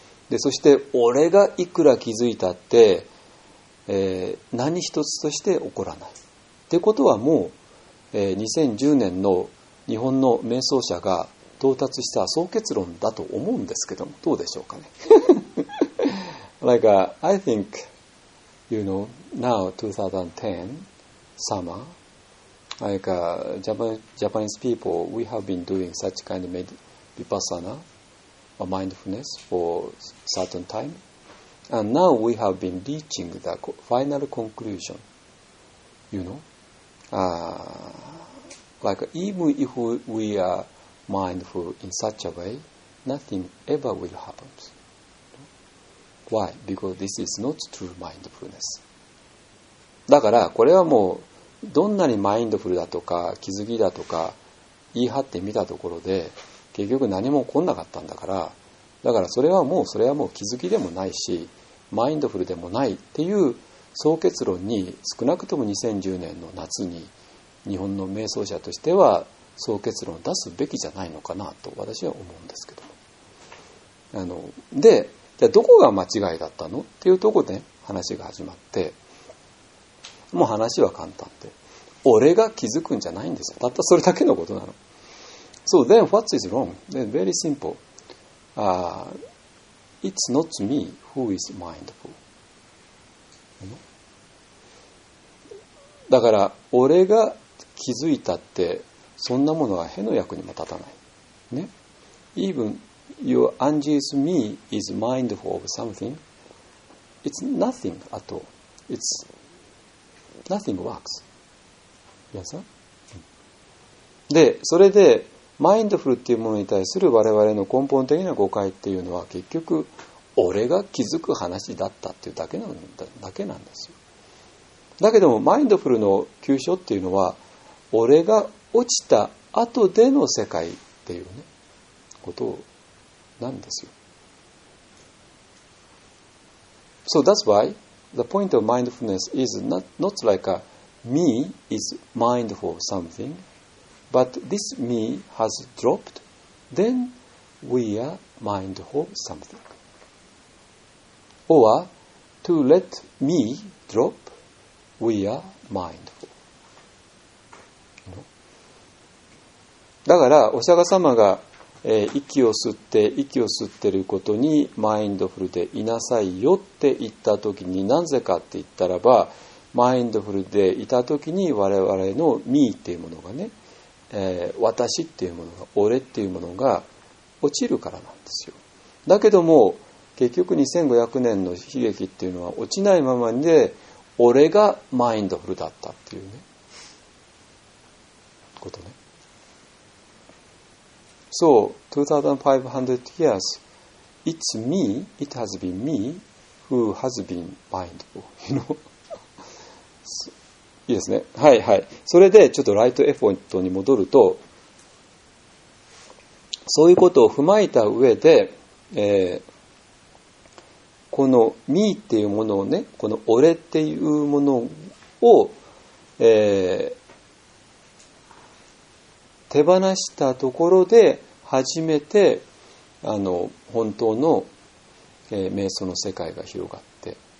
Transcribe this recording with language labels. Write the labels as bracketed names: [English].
[Japanese] でそして俺がいくら気づいたって何一つとして起こらないってことはもう、2010年の日本の瞑想者が到達した総結論だと思うんですけども、どうでしょうかね。 [English] Like、I think you know now 2010 summer like、Japanese people we have been doing such kind of vipassana or mindfulness for certain timeAnd now we have been reaching the final conclusion, you know.、like even if we are mindful in such a way, nothing ever will happen. Why? Because this is not true mindfulness. [Japanese] だからこれはもうどんなにマインドフルだとか気づきだとか言い張ってみたところで結局何も起こんなかったんだから、だからそれはもう気づきでもないし、マインドフルでもないっていう総結論に少なくとも2010年の夏に日本の瞑想者としては総結論を出すべきじゃないのかなと私は思うんですけども、でじゃあどこが間違いだったのっていうところで話が始まって、もう話は簡単で、俺が気づくんじゃないんですよ、たったそれだけのことなの。 [English] So then what is wrong? Then very simple、It's not meWho is mindful? [Japanese] だから俺が気づいたってそんなものは屁の役にも立たない、ね、 [English] Even your anxious me is mindful of something, it's nothing at all. It's nothing works. Yes, sir? [Japanese] で、それでマインドフルっていうものに対する我々の根本的な誤解っていうのは結局俺が気づく話だったっていうだけなんですよ。だけどもマインドフルの急所っていうのは俺が落ちた後での世界っていうねことなんですよ。 [English] So that's why the point of mindfulness is not like a me is mindful of something but this me has dropped then we are mindful of somethingOr, to let me drop, we are mindful. No? [Japanese] だから、お釈迦様が、息を吸ってることにマインドフルでいなさいよって言ったときに、なぜかって言ったらば、マインドフルでいたときに我々の me っていうものがね、私っていうものが、俺っていうものが落ちるからなんですよ。だけども、結局2500年の悲劇っていうのは落ちないままで俺がマインドフルだったっていうねことね。 [English] So 2500 years it's me, it has been me who has been mindful, you know. [Japanese] いいですね。はいはい。それでちょっとライトエフォントに戻ると、そういうことを踏まえた上で、この「ミー」っていうものをね、この「俺」っていうものを、手放したところで初めて本当の、瞑想の世界が広がって、